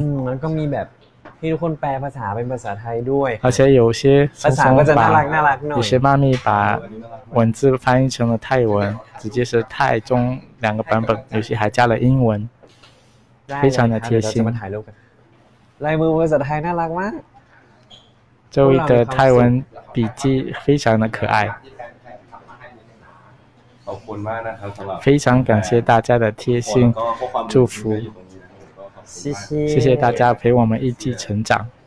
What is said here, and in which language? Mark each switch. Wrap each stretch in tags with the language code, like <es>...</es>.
<th>แล้วก็มีแบบที่ทุกคนแปลภาษาเป็นภาษาไทยด้วย</th> <zh>而且有些</zh> <th>ภาษาก็จะน่ารักน่ารักหน่อย</th> <zh>有些妈咪把文字翻译成了泰文直接是泰中两个版本有些还加了英文非常的贴心</zh> <th>ลายมือภาษาไทยน่ารักมาก จูวิเตอร์ไต้หวันบีจี้</th> <zh>非常的可爱</zh> <th>ขอบคุณมากนะครับสำหรับ</th> <zh>非常感谢大家的贴心祝福谢谢大家陪我们一起成长。</zh>